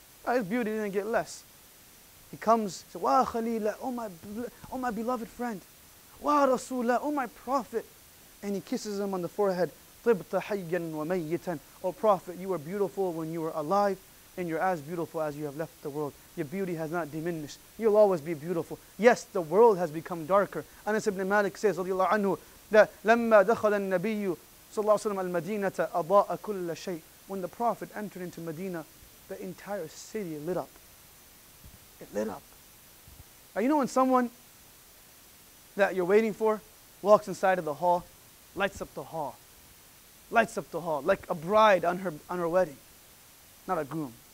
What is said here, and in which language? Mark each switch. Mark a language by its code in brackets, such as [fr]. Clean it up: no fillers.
[en] His beauty didn't get less. He comes, he says, Wa Khalila, oh my beloved friend. Wa Rasulah, oh my prophet. And he kisses him on the forehead. [ar] Tibta hayyan wa mayyitan. [en] Oh prophet, you were beautiful when you were alive, and you're as beautiful as you have left the world. Your beauty has not diminished. You'll always be beautiful. Yes, the world has become darker. Anas ibn Malik says, radiallahu anhu, that [ar] لَمَّا دَخَلَ النَّبِيُّ صَلَّى اللَّهُ وَسَلَّمَ الْمَدِينَةَ أَضَاءَ كُلَّ شَيْءٍ. [en] When the Prophet entered into Medina, the entire city lit up. It lit up. Now, you know when someone that you're waiting for walks inside of the hall, lights up the hall. Lights up the hall, like a bride on her wedding. Not a groom.